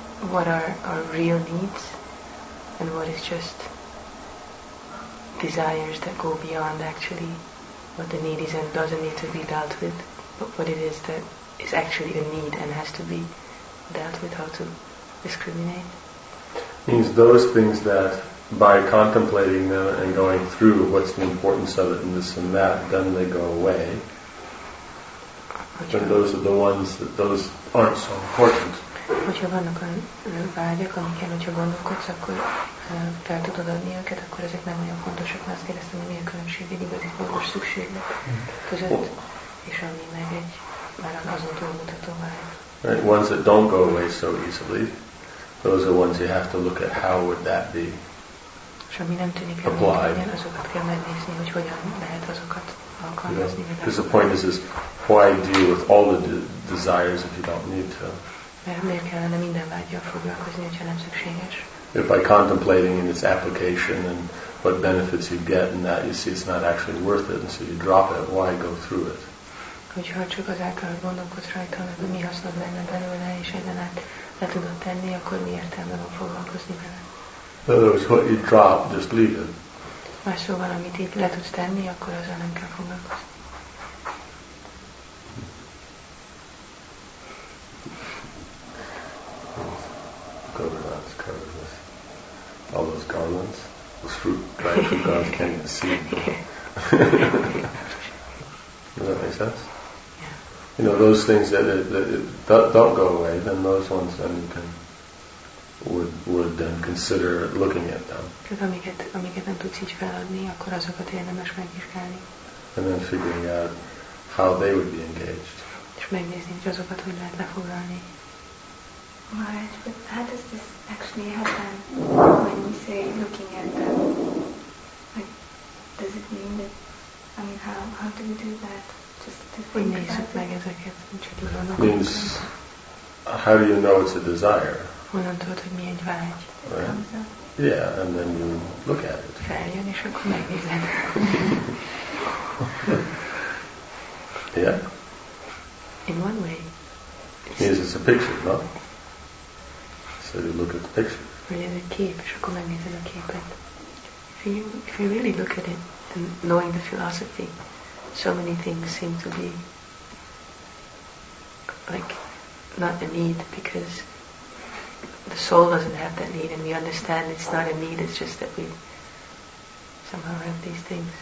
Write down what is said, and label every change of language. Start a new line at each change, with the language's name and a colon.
English: what are our real needs and what is just desires that go beyond actually what the need is and doesn't need to be dealt with, but what it is that is actually a need and has to be dealt with, how to discriminate. Means those things that by contemplating them and going through what's the importance of it and this and that, then they go away. And those are the ones that those aren't so important.
Hungarian: Hogyha vannak olyan vágyak, amikkel, hogyha gondolkodsz, akkor fel tudod adni őket, akkor ezek nem olyan fontosak, mert azt kérdeztem, hogy mi a különbség egy igazi fontos szükséglet között, és ami meg egy már azon túlmutató vágy.
English: Right, ones that don't go away so easily, those are ones you have to look at how would that be
Hungarian: és ami nem tűnik applied. Nem, azokat kell megnézni, hogy hogyan lehet azokat alkalmazni.
English: Because the point is why deal with all the desires if you don't need to?
Hungarian: Miért kellene minden vágyjal foglalkozni, hogyha nem szükséges?
English: If by contemplating in its application and what benefits you get and that you see it's not actually worth it and so you drop it, why go through it?
Hungarian: Hogyha csak az általad gondolkodsz rajta, hogy mi hasznod lenne belőle és ezen át le tudod tenni, akkor mi értelme van foglalkozni vele?
English: In other words, what you drop, just leave it.
Hungarian: Más szóval, amit így le tudsz tenni, akkor azzal nem kell foglalkozni.
English: Govardhan's covered with all those garlands, those fruit dried fruit garlands can't even see. Does that make sense? Yeah. You know, those things that don't go away, then those ones then you can would then consider looking at them.
Hungarian: Amiket nem tudsz így feladni, akkor azokat érdemes megvizsgálni.
English: And then figuring out how they would be engaged.
Hungarian: És megnézni, hogy azokat hogy lehet lefoglalni.
English: Maharaj, but how does this actually happen when you say looking at them? Like, does it mean that, I mean, how do we do that? Just to think about it?
Hungarian: Ezeket,
English: means, how do you know it's a desire?
Hungarian: Honnan tudod, hogy mi egy vágy?
English: Right? Yeah, and then you look at it.
Hungarian: Feljön, és akkor megnézed.
English: Yeah? In one way. Means it's a picture, no? So you look at the picture.
Hungarian: Vagy ez egy kép, és akkor megnézed a képet.
English: If you really look at it, and knowing the philosophy, so many things seem to be like not a need, because the soul doesn't have that need, and we understand it's not a need, it's just that we somehow have these things.